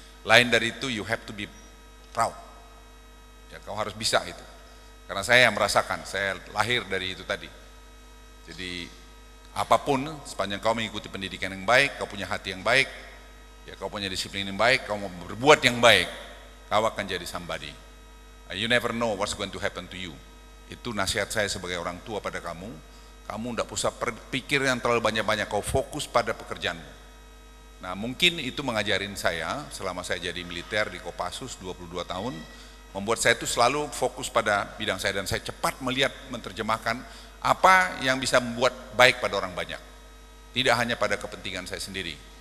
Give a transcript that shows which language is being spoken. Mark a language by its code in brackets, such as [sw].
[id] Lain dari itu, [en] you have to be proud. [id] Ya, kau harus bisa itu. Karena saya yang merasakan, saya lahir dari itu tadi. Jadi apapun, sepanjang kau mengikuti pendidikan yang baik, kau punya hati yang baik, ya kau punya disiplin yang baik, kau mau berbuat yang baik, kau akan jadi somebody. [en] You never know what's going to happen to you. [id] Itu nasihat saya sebagai orang tua pada kamu. Kamu tidak usah berpikir yang terlalu banyak-banyak, kau fokus pada pekerjaanmu. Nah, mungkin itu mengajarin saya selama saya jadi militer di Kopassus 22 tahun, membuat saya itu selalu fokus pada bidang saya, dan saya cepat melihat, menerjemahkan apa yang bisa membuat baik pada orang banyak, tidak hanya pada kepentingan saya sendiri.